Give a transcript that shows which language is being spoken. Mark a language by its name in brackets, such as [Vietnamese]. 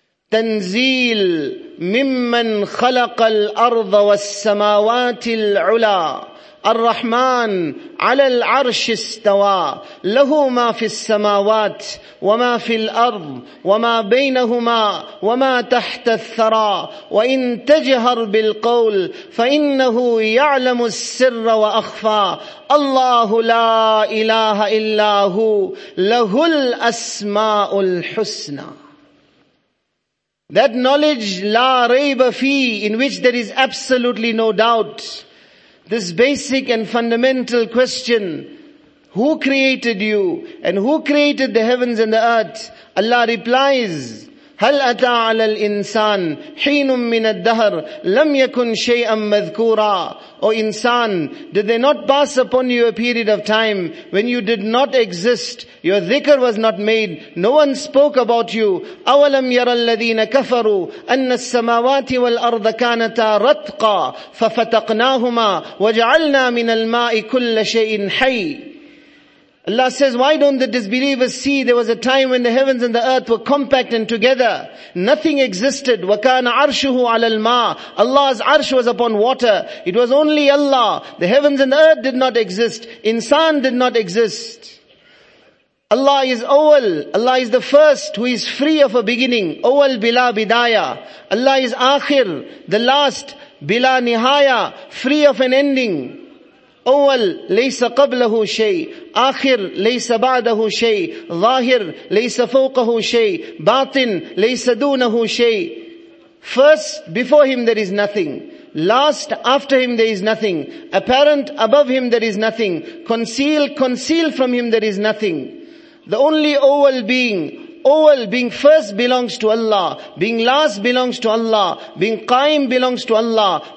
[Arabic] تنزيل ممن خلق الأرض والسماوات العلا الرحمن على العرش استوى له ما في السماوات وما في الأرض وما بينهما وما تحت الثرى وإن تجهر بالقول فإنه يعلم السر وأخفى الله لا إله إلا هو له الأسماء الحسنى. [English] That knowledge, [Arabic] la rayba fi, [English] in which there is absolutely no doubt. This basic and fundamental question, who created you and who created the heavens and the earth? Allah replies, [Arabic] هَلْ أَتَى عَلَى الْإِنسَانِ حِينٌ مِّنَ الدَّهَرِ لَمْ يَكُنْ شَيْئًا مَذْكُورًا. [English] O insan, did they not pass upon you a period of time when you did not exist, your dhikr was not made, no one spoke about you? [Arabic] أَوَلَمْ يَرَى الَّذِينَ كَفَرُوا أَنَّ السَّمَاوَاتِ وَالْأَرْضَ كَانَتَا رَتْقًا فَفَتَقْنَاهُمَا وَجَعَلْنَا مِنَ الْمَاءِ كُلَّ شَيْءٍ حَيٍّ. [English] Allah says, why don't the disbelievers see there was a time when the heavens and the earth were compact and together? Nothing existed. [Arabic] وَكَانَ عَرْشُهُ عَلَى الْمَاءِ. [English] Allah's arsh was upon water. It was only Allah. The heavens and the earth did not exist. Insan did not exist. Allah is awal. Allah is the first who is free of a beginning. [Arabic] Awal bila bidaya. [English] Allah is akhir, the last. [Arabic] Bila nihaya, [English] free of an ending. [Arabic] أول ليس قبله شيء آخر ليس بعده شيء ظاهر ليس فوقه شيء باطن ليس دونه شيء. [English] First, before him there is nothing. Last, after him there is nothing. Apparent, above him there is nothing. Concealed from him there is nothing. The only أول being. أول being first belongs to Allah. Being last belongs to Allah. Being قائم belongs to Allah.